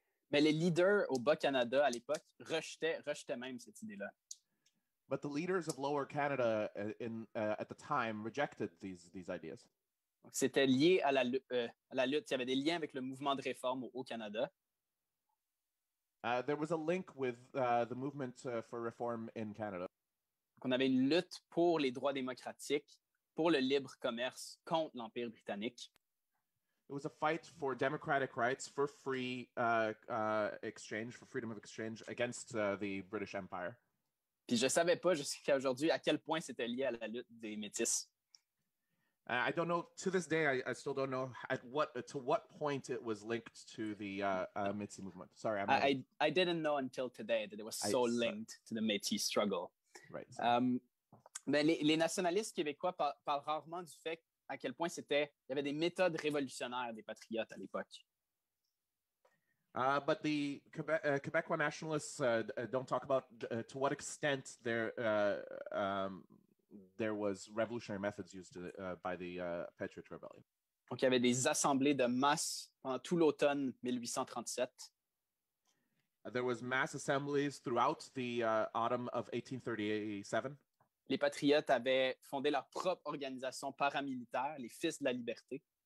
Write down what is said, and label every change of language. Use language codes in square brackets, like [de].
[fr] Mais les leaders au Bas-Canada à l'époque rejetaient même cette idée-là. [en] But the leaders of Lower Canada at the time rejected these ideas. [fr] Donc, c'était lié à la lutte. Il y avait des liens avec le mouvement de réforme au Canada. [en] There was a link with the movement for reform in Canada. [fr] Donc, on avait une lutte pour les droits démocratiques, pour le libre commerce, contre l'Empire britannique. [en] It was a fight for democratic rights, for free exchange, for freedom of exchange against the British Empire. [fr] Puis je ne savais pas jusqu'à aujourd'hui à quel point c'était lié à la lutte des Métis. [en] I don't know, to this day, I still don't know to what point it was linked to the Métis movement. Sorry, I didn't know until today that it was so linked to the Métis struggle. Right. [fr] Mais les nationalistes québécois parlent rarement du fait à quel point c'était, il y avait des méthodes révolutionnaires des patriotes à l'époque. [en] But the Quebecois nationalists don't talk about to what extent there was revolutionary methods used by the Patriot Rebellion. [fr] Donc, il y avait des assemblées de masse pendant tout l'automne 1837. [en] There was mass assemblies throughout the autumn of 1837. [fr] Les Patriotes avaient fondé leur propre organisation paramilitaire, les Fils de la Liberté.